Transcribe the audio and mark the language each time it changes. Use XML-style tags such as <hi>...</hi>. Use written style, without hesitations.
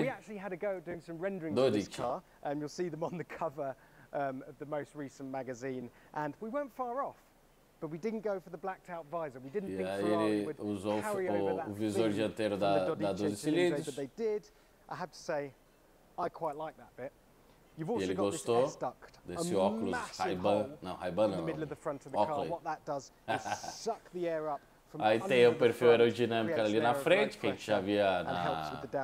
<en>We actually had a go doing some renderings of this car, and you'll see them on the cover of the most recent magazine, and we weren't far off, but we didn't go for the blacked out visor. We didn't think Ferrari would carry over that.</en> <pt>O visor dianteiro da 12 cilindros.</pt> <en>But they did. I have to say, I quite like that bit. You've also</en> <pt>ele</pt> <en>got this S duct,</en> <pt>desse óculos Ray-Ban, não, Ray-Ban não.</pt> <en>In the middle of the front of the car, what that does is suck the air up from</en> <pt>aí tem o perfil aerodinâmico ali na frente, que a gente já via na</pt>